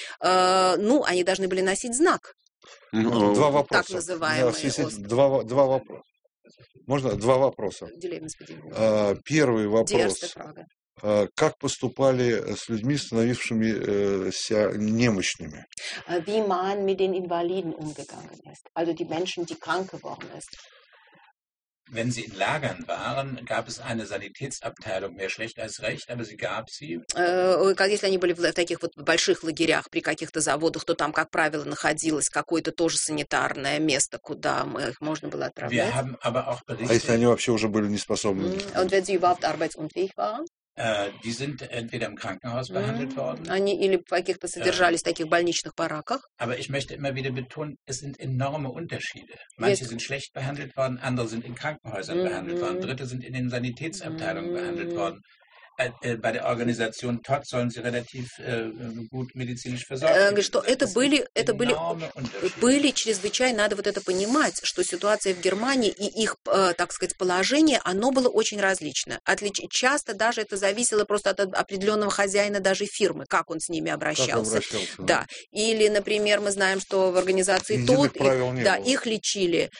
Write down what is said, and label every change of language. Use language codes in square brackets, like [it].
[ru] Они должны были носить знак. Два вопроса. Так называемые. Два вопроса. Можно два вопроса? Первый вопрос. Как поступали с людьми, становившимися немощными? [de] Wie man mit den Invaliden umgegangen ist. Also die Menschen, die krank geworden sind. Wenn sie in Lagern waren, gab es eine Sanitätsabteilung, mehr schlecht als recht, aber sie gab sie. [ru] Если они были в таких вот больших лагерях, при каких-то заводах, то там, как правило, находилось какое-то тоже санитарное место, куда их можно было отправлять. [de] Wir haben aber auch Berichte. [ru] А если они вообще уже были неспособны? [de] Und wenn sie überhaupt arbeitsunfähig waren? Die sind entweder im Krankenhaus behandelt worden. [ru] Они или каких-то содержались в таких больничных бараках. [de] Aber ich möchte immer wieder betonen, es sind enorme Unterschiede. Manche sind schlecht behandelt worden, andere sind in Krankenhäusern behandelt worden, dritte sind in den Sanitätsabteilungen behandelt worden. Bei der Organisation TOT sollen sie relativ gut medizinisch versorgt werden. [ru] Это были чрезвычайно, надо вот это понимать, что ситуация в Германии и их, так сказать, положение, оно было очень различное. Часто даже это зависело просто от определенного хозяина даже фирмы, как он с ними обращался. Да. Или, например, мы знаем, что в организации TOT, их лечили.